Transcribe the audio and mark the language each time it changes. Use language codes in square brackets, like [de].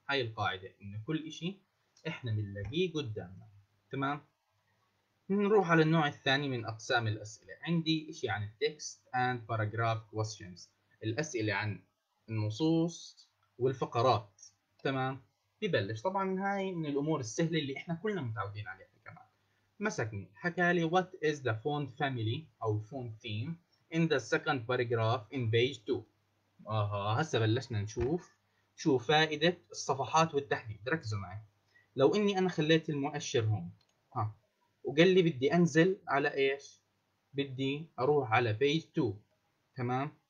[ar] هاي القاعدة، إن كل إشي إحنا بنلاقيه قدامنا، تمام. نروح على النوع الثاني من أقسام الأسئلة. عندي إشي عن التكست [en] and paragraph questions، [ar] الأسئلة عن النصوص والفقرات، تمام. ببلش طبعا هاي من الأمور السهلة اللي إحنا كلنا متعودين عليها. كمان مسكني حكى لي [en] what is the font family أو font theme in the second paragraph in page 2. [ar] هسا بلشنا نشوف شو فائدة الصفحات والتحديد. ركزوا معي، لو اني انا خليت المؤشر هون، ها، وقال لي بدي انزل على ايش، بدي اروح على page 2، تمام،